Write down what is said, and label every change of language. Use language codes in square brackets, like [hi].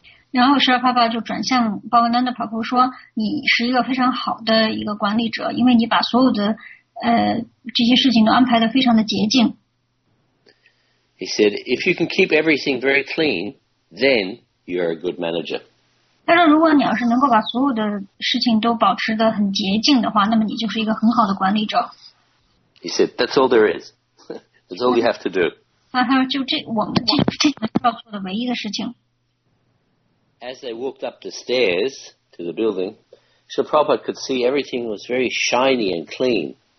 [zh] 然后Srila Prabhupada就转向 Bhavananda Prabhu 说，你是一个非常好的一个管理者，因为你把所有的这些事情都安排得非常的洁净。 [en] He said, if you can keep everything very clean, then you are a good manager. [zh] 他说，如果你要是能够把所有的事情都保持得很洁净的话，那么你就是一个很好的管理者。 [en] He said, that's all there is. That's all you have to do. As they walked up the stairs to the building, Srila Prabhupada could see everything was very shiny and clean.